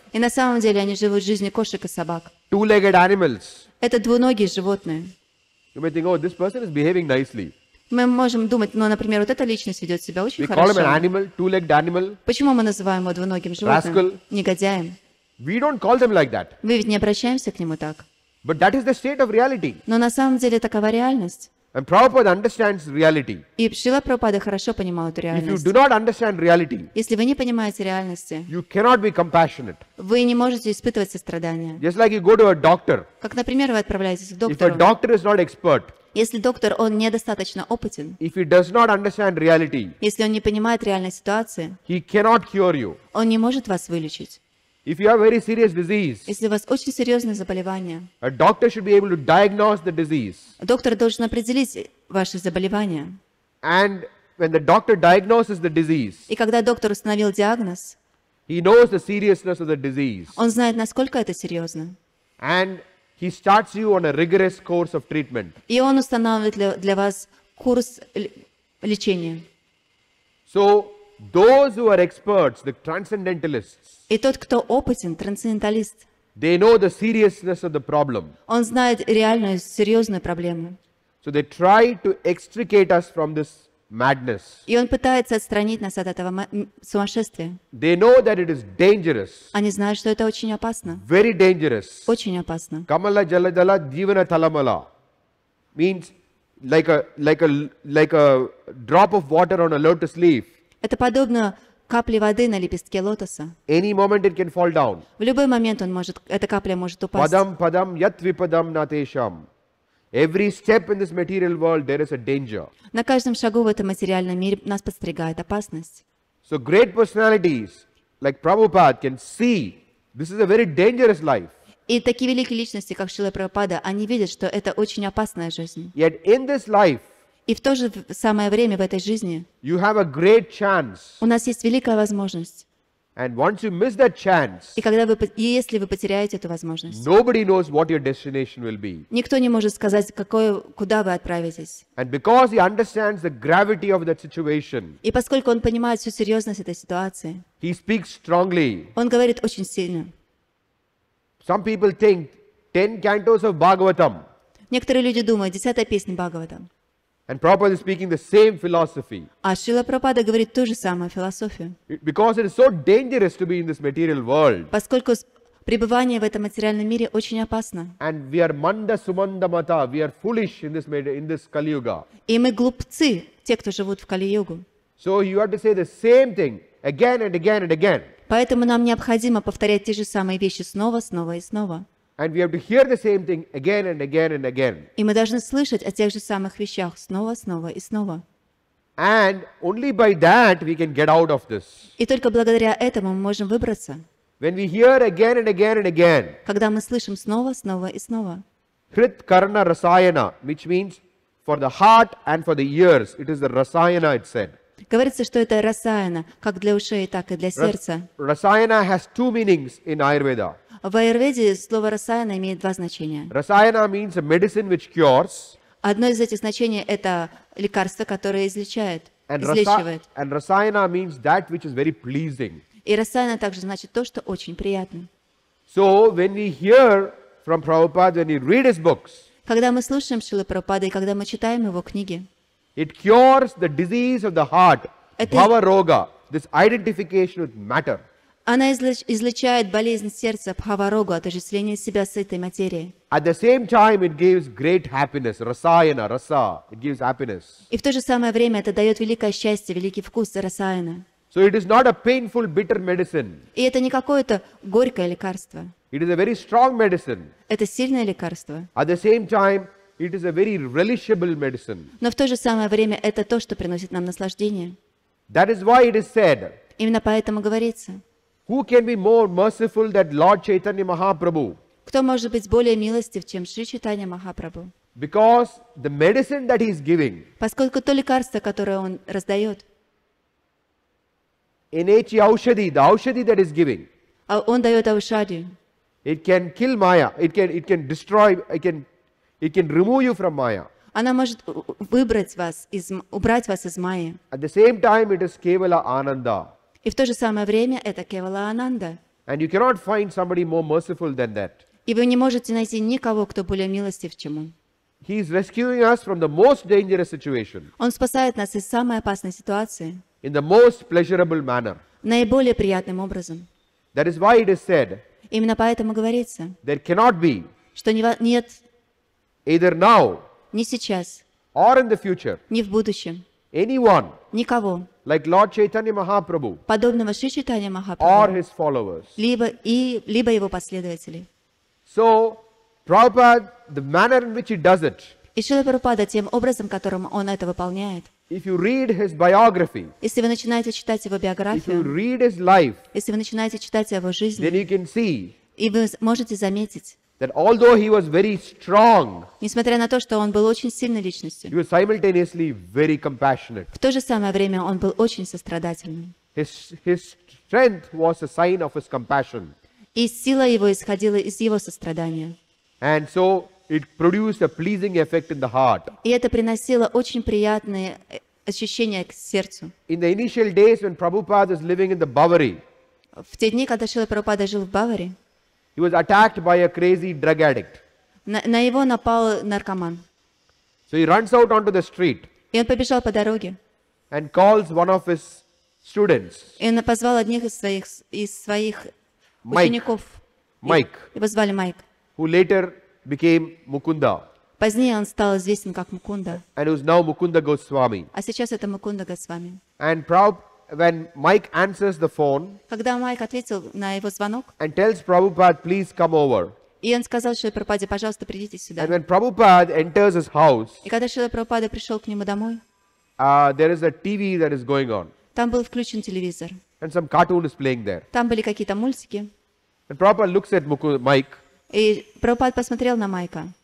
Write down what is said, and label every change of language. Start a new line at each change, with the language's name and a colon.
Russian: И на самом деле они живут жизнью кошек и собак.
English: Two-legged animals.
Russian: Это двуногие животные.
English: You may think, oh, this person is behaving nicely.
Russian: Мы можем думать, ну, например, вот эта личность ведет себя очень
English: we
Russian: хорошо.
English: We call him an animal, two-legged animal.
Russian: Почему мы называем его двуногим животным?
English: Rascal.
Russian: Негодяем.
English: We don't call them like that.
Russian: Мы ведь не обращаемся к нему так.
English: But that is the state of reality.
Russian: Но на самом деле такова реальность.
English: And Prabhupada understands reality.
Russian: И Шрила Прабхупада хорошо понимал эту реальность.
English: If you do not understand reality,
Russian: если вы не понимаете реальности,
English: you cannot be compassionate.
Russian: Вы не можете испытывать сострадание.
English: Just like you go to a doctor.
Russian: Как, например, вы отправляетесь к доктору.
English: If a doctor is not expert,
Russian: если доктор он недостаточно опытен,
English: if he does not understand reality,
Russian: если он не понимает реальной ситуации,
English: he cannot cure you.
Russian: Он не может вас вылечить.
English: If you have very serious disease,
Russian: если у вас очень серьезное заболевание,
English: a doctor should be able to diagnose the disease.
Russian: Доктор должен определить ваше заболевание.
English: And when the doctor diagnoses the disease,
Russian: и когда доктор установил диагноз,
English: he knows the seriousness of the disease.
Russian: Он знает, насколько это серьезно.
English: And he starts you on a rigorous course of treatment.
Russian: И он устанавливает для вас курс лечения.
English: So those who are experts, the transcendentalists.
Russian: И тот, кто опытен, трансценденталист.
English: They know the seriousness of the problem.
Russian: Он знает реальную, серьезную проблему.
English: So they try to extricate us from this madness.
Russian: И он пытается отстранить нас от этого сумасшествия.
English: They know that it is dangerous.
Russian: Они знают, что это очень опасно.
English: Very dangerous.
Russian: Очень опасно.
Sanskrit: Kamala jaladala jivana thalamala
English: means like a drop of water on a lotus leaf.
Russian: Это подобно капли воды на лепестке лотоса.
English: Any moment it can fall down.
Russian: В любой момент он может, эта капля может упасть.
Sanskrit: Падам, падам, ятвипадам натешам.
English: Every step in this material world there is a danger.
Russian: На каждом шагу в этом материальном мире нас подстерегает опасность.
English: So great personalities like Prabhupada can see this is a very dangerous life.
Russian: И такие великие личности, как Шрила Прабхупада, они видят, что это очень опасная жизнь.
English: Yet in this life.
Russian: И в то же самое время в этой жизни
English: you have a great chance.
Russian: У нас есть великая возможность.
English: And once you miss that chance,
Russian: и когда вы, если вы потеряете эту возможность,
English: nobody knows what your destination will be.
Russian: Никто не может сказать, какое, куда вы отправитесь.
English: And because he understands the gravity of that situation,
Russian: и поскольку он понимает всю серьезность этой ситуации,
English: he speaks strongly.
Russian: Он говорит очень сильно.
English: Some people think 10 cantos of Bhagavatam.
Russian: Некоторые люди думают, 10 песня Бхагаватам.
English: And Prabhupada is speaking the same philosophy.
Russian: А Шрила Прабхупада говорит ту же самую философию.
English: Because it is so dangerous to be in this material world.
Russian: Поскольку пребывание в этом материальном мире очень опасно.
English: And we are
Sanskrit: manda sumanda mata.
English: We are foolish in this Kali Yuga.
Russian: И мы глупцы, те, кто живут в Кали Югу.
English: So you have to say the same thing again and again and again.
Russian: Поэтому нам необходимо повторять те же самые вещи снова, снова и снова.
English: And we have to hear the same thing again and again and again.
Russian: И мы должны слышать о тех же самых вещах снова, снова и снова.
English: And only by that we can get out of this.
Russian: И только благодаря этому мы можем выбраться.
English: When we hear again and again and again.
Russian: Когда мы слышим снова, снова и снова.
Sanskrit: Hrit karna rasayana,
English: which means for the heart and for the ears. It is the rasayana, it said.
Russian: Говорится, что это расаяна, как для ушей, так и для сердца.
English: Расаяна has two meanings in Ayurveda.
Russian: В Айурведе слово расаяна имеет два значения.
English: Расаяна means a medicine which cures.
Russian: Одно из этих значений – это лекарство, которое излечает, излечивает.
English: And расаяна means that which is very pleasing.
Russian: И расаяна также значит то, что очень приятно.
English: So, when we hear from Prabhupada, when we read his books,
Russian: когда мы слушаем Шрилу Прабхупаду и когда мы читаем его книги,
English: it cures the disease of the heart, bhava roga, this identification with matter.
Russian: Она излечает болезнь сердца, бхава рога, отождествление себя с этой материей.
English: At the same time, it gives great happiness, rasayana, rasa, it gives happiness.
Russian: И в то же самое время это дает великое счастье, великий вкус расаяна.
English: So it is not a painful, bitter medicine.
Russian: И это не какое-то горькое лекарство.
English: It is a very strong medicine.
Russian: Это сильное лекарство.
English: At the same time, it is a very relishable medicine.
Russian: Но в то же самое время это то, что приносит нам наслаждение.
English: That is why it is said.
Russian: Именно поэтому говорится.
English: Who can be more merciful than Lord Chaitanya Mahaprabhu?
Russian: Кто может быть более милостив, чем Шри Чайтанья Махапрабху?
English: Because the medicine that he is giving.
Russian: Поскольку то лекарство, которое он раздает.
Sanskrit: Inechi aushadi,
English: the aushadi that is giving.
Russian: Он дает аушади.
English: It can kill Maya. It can destroy. It can remove you from Maya.
Russian: Она может выбрать вас из, убрать вас из Майи.
English: At the same time, it is Kevala Ananda.
Russian: И в то же самое время это Кевала Ананда.
English: And you cannot find somebody more merciful than that.
Russian: И вы не можете найти никого, кто более милостив, чем он.
English: He is rescuing us from the most dangerous situation.
Russian: Он спасает нас из самой опасной ситуации.
English: In the most pleasurable manner.
Russian: Наиболее приятным образом.
English: That is why it is said.
Russian: Именно поэтому говорится.
English: There cannot be.
Russian: Что нет.
English: Either now.
Russian: Не сейчас.
English: Or in the future.
Russian: Не в будущем.
English: Anyone.
Russian: Никого.
English: Like Lord Chaitanya Mahaprabhu.
Russian: Подобного Шри Чайтанья Махапрабху.
English: Or his followers.
Russian: Либо его последователей.
English: So, Prabhupada, the manner in which he does it.
Russian: И Шрила Прабхупада тем образом, которым он это выполняет.
English: If you read his biography.
Russian: Если вы начинаете читать его биографию.
English: If you read his life.
Russian: Если вы начинаете читать его жизнь.
English: Then you can see.
Russian: И вы можете заметить.
English: That although he was very strong,
Russian: несмотря на то, что он был очень сильной личностью,
English: he was simultaneously very compassionate.
Russian: В то же самое время он был очень сострадательным.
English: His strength was a sign of his compassion.
Russian: И сила его исходила из его сострадания.
English: And so it produced a pleasing effect in the heart.
Russian: И это приносило очень приятные ощущения к сердцу.
English: In the initial days when Prabhupada was living in the Bavari,
Russian: в те дни, когда Шрила Прабхупада жил в Баварии.
English: He was attacked by a crazy drug addict.
Russian: На его напал наркоман.
English: So he runs out onto the street.
Russian: И он побежал по дороге.
English: And calls one of his students.
Russian: И он позвал одних из своих Mike. Учеников.
English: Mike.
Russian: Его звали Майк.
English: Who later became Mukunda.
Russian: Позднее он стал известен как Мукунда.
English: And who is now Mukunda Goswami.
Russian: А сейчас это Мукунда Госвами.
English: And when Mike answers the phone,
Russian: когда Майк ответил на его звонок,
English: and tells Prabhupada, please come over.
Russian: И он сказал Шриле Прабхупаде, пожалуйста, придите сюда.
English: And when Prabhupada enters his house,
Russian: и когда Шриле Прабхупада пришел к нему домой,
English: there is a TV that is going on.
Russian: Там был включен телевизор.
English: And some cartoon is playing there.
Russian: Там были какие-то мультики.
English: And Prabhupada looks at Mike.
Russian: И Прабхупада посмотрел на Майка.